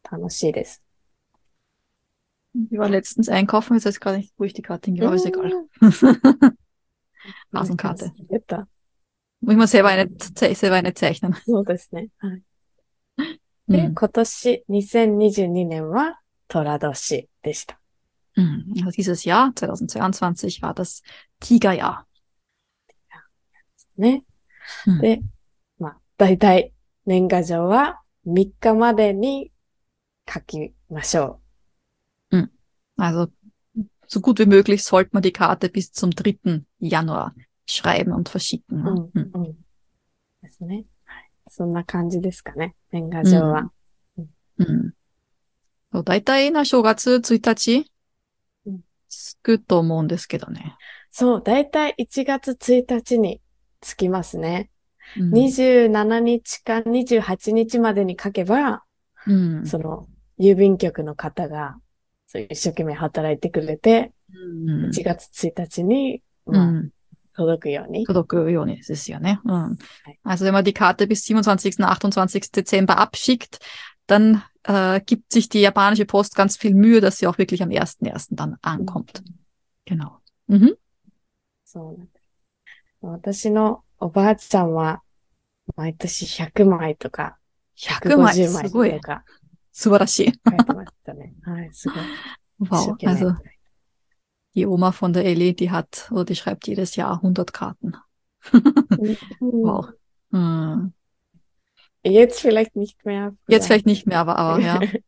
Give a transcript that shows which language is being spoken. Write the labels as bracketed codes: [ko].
[de] Ich war letztens einkaufen, jetzt weiß ich gar nicht, wo ich die Karte hingehe, aber ist egal. Hasenkarte. Muss man selber eine zeichnen. So, das, ne? [ja] Und, 2022 年は虎年でした。 [de] Also dieses Jahr, 2022, war das Tigerjahr. [ja] ね。で、まあ、だいたい年賀状は3日までに書きましょう。 [de] Also, so gut wie möglich sollte man die Karte bis zum 3. Januar schreiben und verschicken. Ne? [ja] ですね。はい。そんな感じですかね。年賀状は。 So, だいたいな正月1日つくと思うんですけどね。そう、だいたい1月1日につきますね。 27日か28日までに書けば、その、郵便局の方が、そう一生懸命働いてくれて、1月1日に、まあ、届くように。届くようにですよね。 [de] Also, wenn man die Karte bis 27. 28. Dezember abschickt, dann, gibt sich die japanische Post ganz viel Mühe, dass sie auch wirklich am 1.1. dann ankommt. Genau. [ja] そうなんです。私のおばあちゃんは、毎年100枚とか、150枚とか、素晴らしい。書いてましたね。はい、すごい。 [de] Wow, also, die Oma von der Eli, die hat, oder die schreibt jedes Jahr 100 Karten. Wow. Jetzt vielleicht nicht mehr. Jetzt vielleicht nicht mehr, aber ja.